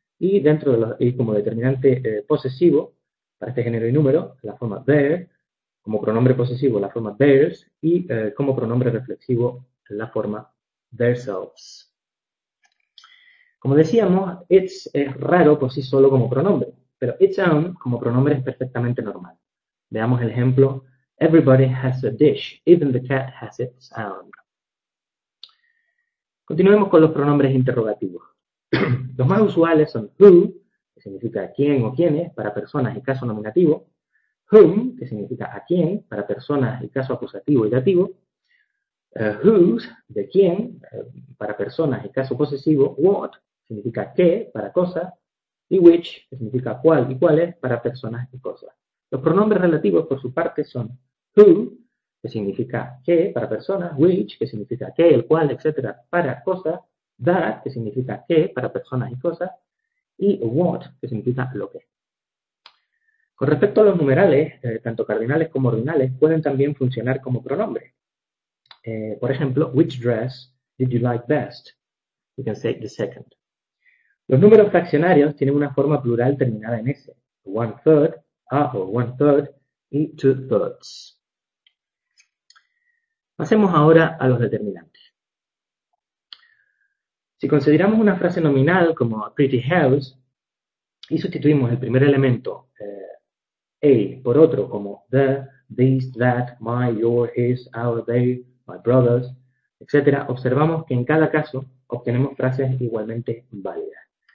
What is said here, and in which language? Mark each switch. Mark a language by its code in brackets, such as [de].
[es] Y dentro de los, y como determinante posesivo, para este género y número, la forma their. Como pronombre posesivo, la forma theirs. Y como pronombre reflexivo, la forma themselves. Como decíamos, its es raro por sí solo como pronombre, pero its own como pronombre es perfectamente normal. Veamos el ejemplo. [en] Everybody has a dish, even the cat has its own. [es] Continuemos con los pronombres interrogativos. Los más usuales son who, que significa quién o quiénes, para personas y caso nominativo, whom, que significa a quién, para personas y caso acusativo y dativo, whose, de quién, para personas y caso posesivo, what, significa qué, para cosas, y which, que significa cuál y cuáles, para personas y cosas. Los pronombres relativos, por su parte, son who, que significa qué, para personas, which, que significa qué, el cual, etcétera, para cosas, that, que significa qué, para personas y cosas, y what, que significa lo que. Con respecto a los numerales, tanto cardinales como ordinales, pueden también funcionar como pronombres. Por ejemplo, [en] which dress did you like best? You can say the second. [es] Los números fraccionarios tienen una forma plural terminada en S. [en] One third, a o one third, y two thirds. [es] Pasemos ahora a los determinantes. Si consideramos una frase nominal como [en] a pretty house [es] y sustituimos el primer elemento a por otro como the, these, that, my, your, his, our, they, my brothers, etc., observamos que en cada caso obtenemos frases igualmente válidas.